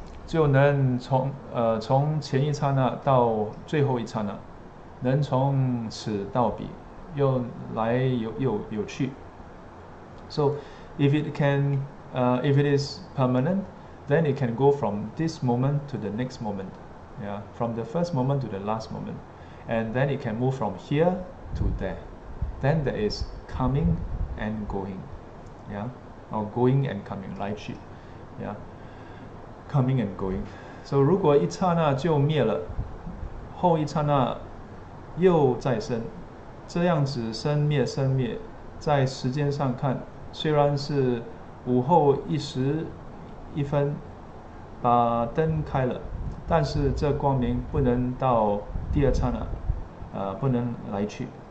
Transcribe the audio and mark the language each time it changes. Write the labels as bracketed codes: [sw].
[zh] 就能从前一刹那到最后一刹那，能从此到彼，又来又去。 [en] So if it is permanent, then it can go from this moment to the next moment, yeah, from the first moment to the last moment, and then it can move from here to there. Then there is coming and going, yeah, or going and coming, 来去，yeah, coming and going. [zh] So 如果一刹那就灭了，后一刹那又再生，这样子生灭，在时间上看，虽然是午后一时一分把灯开了，但是这光明不能到第二刹那，不能来去。